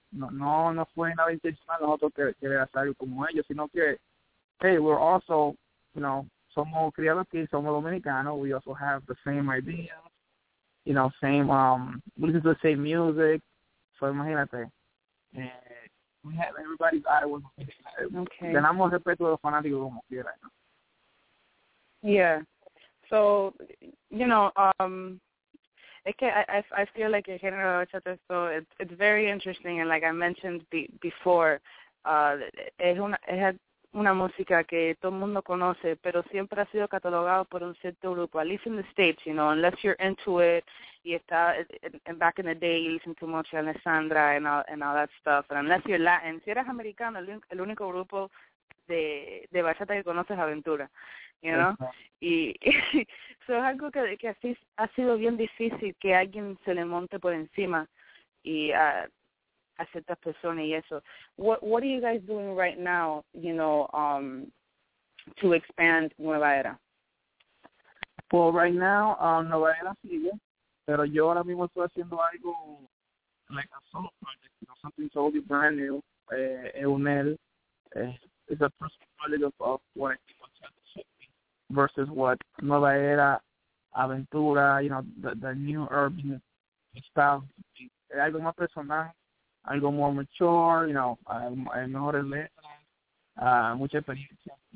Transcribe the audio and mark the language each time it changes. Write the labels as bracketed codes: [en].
[es] No fue una intención a nosotros que era salir como ellos, sino que, [en] hey, we're also, you know, [es] somos criados aquí, somos dominicanos, [en] we also have the same ideas, you know, same, we listen to the same music, so [es] imagínate. [en] We had everybody's eye was okay. [es] Ganamos respeto de los fanáticos como quiera. [en] Yeah. So, you know, [es] es que [en] I feel like [es] el género de bachata, [en] so it's very interesting, and like I mentioned before, [es] es una música que todo el mundo conoce, pero siempre ha sido catalogado por un cierto grupo, [en] at least in the States, you know, unless you're into it, [es] y está, [en] and back in the day, you listen to mucho Alessandra and all that stuff, and unless you're Latin, [es] si eres americano, el único grupo de bachata que conoces es Aventura, [en] you know? Okay. [es] Y so es algo que así ha sido bien difícil que alguien se le monte por encima y a ciertas personas y eso. [en] What are you guys doing right now, you know, to expand Nueva Era? Well, right now, Nueva Era [es] sigue, pero yo ahora mismo estoy haciendo algo, [en] like a solo project, you know, something totally brand new, Eunel, is a personal project of what I think what's happening versus what Nueva Era, Aventura, you know, the new urban style, [es] algo más personal, algo [en] more mature, you know, [es] mejores letras, mucha experiencia.